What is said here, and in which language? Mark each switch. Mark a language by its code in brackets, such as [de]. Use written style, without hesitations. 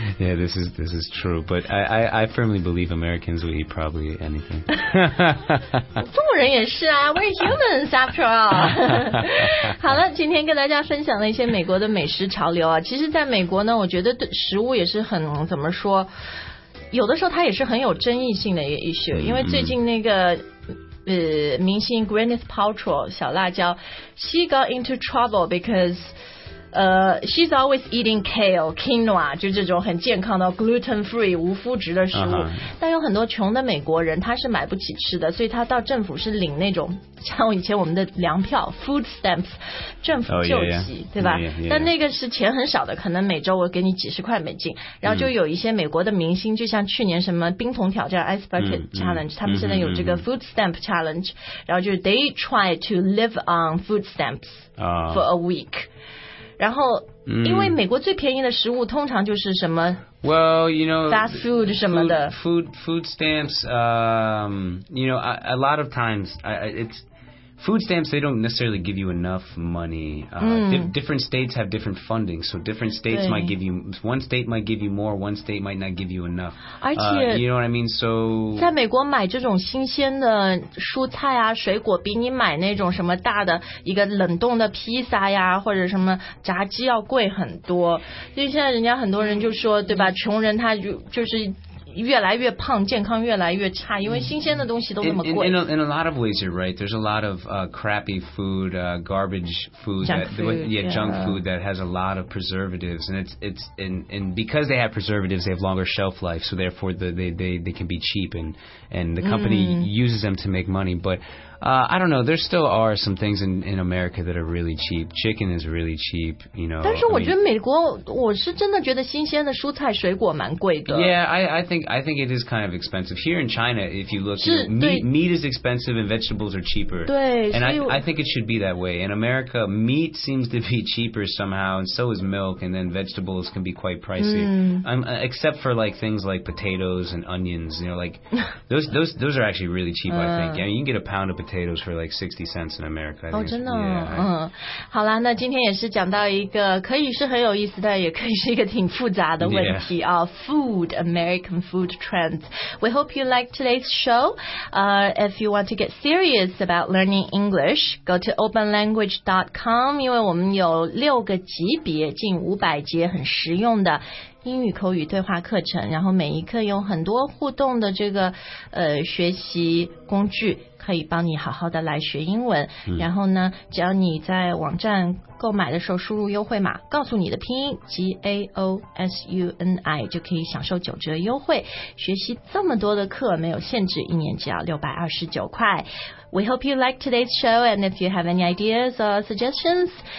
[en] yeah this is true but I firmly believe Americans will eat probably anything [zh] 中国人也是啊 [en] we're humans after all [zh] 好了今天跟大家分享了一些美国的美食潮流啊其实在美国呢我觉得食物也是很怎么说有的时候它也是很有争议性的一些因为最近那个明星 Gwyneth Paltrow 小辣椒 [en] she got into trouble because she's always eating kale, quinoa, [zh] 就这种很健康的 gluten free 无麸质的食物。 Uh-huh. 但有很多穷的美国人，他是买不起吃的，所以他到政府是领那种像以前我们的粮票 food stamps， 政府救济， [en] oh, yeah, yeah. [zh] 对吧？ [en] Yeah, yeah, yeah. [zh] 但那个是钱很少的，可能每周我给你几十块美金。然后就有一些美国的明星，就像去年什么冰桶挑战 ice bucket challenge， 他们现在有这个 food stamp challenge， 然后就是 [en] they try to live on food stamps for a week。 [zh] 然后因为美国最便宜的食物通常就是什么 [en] well you know [zh] fast food 什么的 [en] food stamps you know a lot of times it's food stamps they don't necessarily give you enough money different states have different funding so different states might give you one state might give you more one state might not give you enough [zh] 而且、 [en] you know what I mean so [zh] 在美国买这种新鲜的蔬菜啊水果比你买那种什么大的一个冷冻的披萨呀或者什么炸鸡要贵很多所以现在人家很多人就说对吧穷人他就是越来越胖健康越来越差因为新鲜的东西都那么贵 [en] in a lot of ways you're right there's a lot of crappy food garbage food, junk food that has a lot of preservatives and it's and because they have preservatives they have longer shelf life so therefore they can be cheap and the company uses them to make money butI don't know, there still are some things in America that are really cheap. Chicken is really cheap, you know. [zh] 但是我觉得美国 我是真的觉得新鲜的蔬菜水果蛮贵的。 [en] Yeah, I think it is kind of expensive. Here in China, if you look, meat is expensive and vegetables are cheaper. [zh] 对 [en] And I think it should be that way. In America, meat seems to be cheaper somehow, and so is milk, and then vegetables can be quite pricey. Except for like things like potatoes and onions, you know, like those are actually really cheap, I think. I mean, you can get a pound of potatoes for like 60 cents in America. [zh] Oh, 真的、 [en] yeah. [zh] 嗯，好啦，那今天也是讲到一个可以是很有意思，但也可以是一个挺复杂的问题啊。 [en] Yeah. Food, American food trends. We hope you like today's show. If you want to get serious about learning English, go to openlanguage.com. [zh] 因为我们有六个级别，近500节，很实用的。英语口语对话课程然后每一课有很多互动的这个学习工具可以帮你好好的来学英文然后呢只要你在网站购买的时候输入优惠码告诉你的拼音 GAOSUNI 就可以享受9折优惠学习这么多的课没有限制一年只要629块 [en] We hope you like today's show and if you have any ideas or suggestions